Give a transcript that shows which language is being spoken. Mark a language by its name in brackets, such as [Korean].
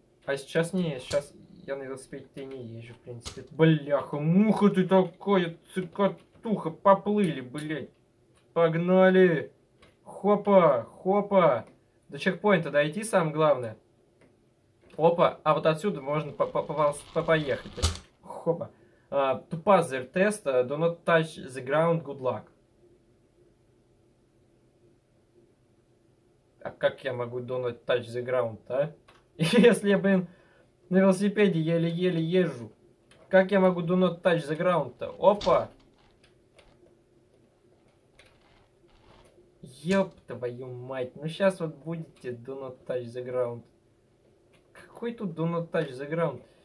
[Russian] А сейчас не, сейчас... Я на велосипеде не езжу, в принципе. Бляха, муха ты такая, цикатуха. Поплыли, блядь. Погнали. Хопа. До чекпоинта дойти, самое главное. Опа, а вот отсюда можно поехать. Хопа. [English] To pass their test, do not touch the ground, good luck. [Russian] А как я могу донать [English] touch the ground, [Russian] а? Если я, блин, на велосипеде еле-еле езжу. Как я могу [English] do not touch the ground- [Russian] то? Опа! Ёб твою мать! Ну сейчас вот будете [English] do not touch the ground. [Russian] Какой тут [English] do not touch the ground?